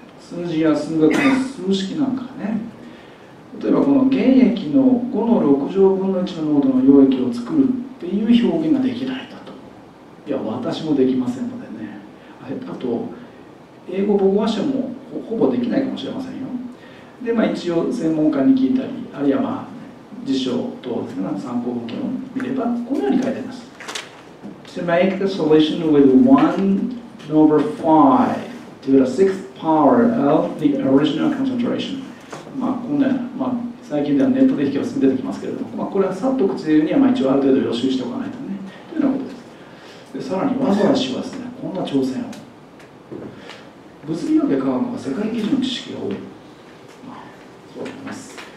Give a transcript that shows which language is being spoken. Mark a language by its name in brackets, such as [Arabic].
[Japanese] 数字や数学の数式なんかね。例えばこの原液の5の6乗分の1の濃度の溶液を作るっていう表現ができないだと。いや、私もできませんのでね。あと、英語母語話者も ほぼできないかもしれませんよ。で、まあ一応専門家に聞いたり、あるいはまあ辞書等ですね、参考文献を見れば、このように書いてあります。 [English] To make the solution with 1 over 5 to the 6th power of the original concentration. [Japanese] まあこんな、まあ、最近ではネットで引き寄せ出てきますけれども、まあ、これはさっと口で言うには、まあ、一応ある程度予習しておかないとね。というようなことです。でさらに、わざわざはですね、こんな挑戦を。物理学科学は世界基準の知識が多い。まあ、そうだと思います。